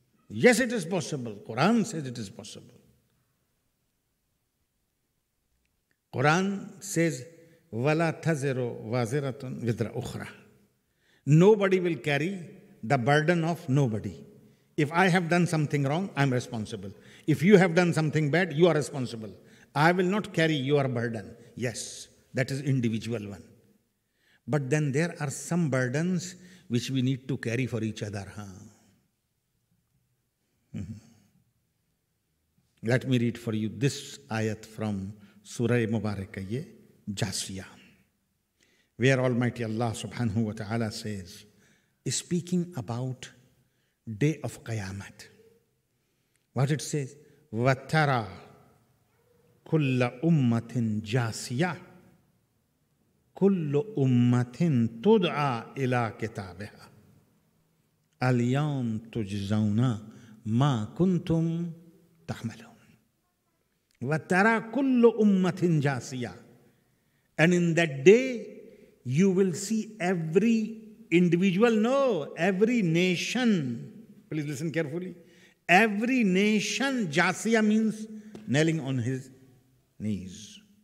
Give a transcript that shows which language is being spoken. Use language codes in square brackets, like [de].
[en] Quran says it is possible. Quran says, [ar] وَلَا تَزِرُ وَازِرَةٌ وِذْرَ أُخْرَى. [en] Nobody will carry the burden of nobody. If I have done something wrong, I'm responsible. If you have done something bad, you are responsible. I will not carry your burden. Yes, that is individual one. But then there are some burdens which we need to carry for each other. Huh? Let me read for you this ayat from Surah Mubarakah, Jasiya, where Almighty Allah subhanahu wa ta'ala says, speaking about Day of Qiyamah. What it says, [ar] وَتَرَى كُلَّ أُمَّةٍ جَاسِيَةٍ كُلُّ أُمَّةٍ تُدْعَى إِلَىٰ كِتَابِهَا أَلْيَوْمْ تُجْزَوْنَا مَا كُنْتُمْ تَحْمَلُونَ وَتَرَى كُلُّ أُمَّةٍ جَاسِيَةٍ. [en] And in that day, you will see every individual, every nation. Please listen carefully. Every nation, jasiya means kneeling on his knees.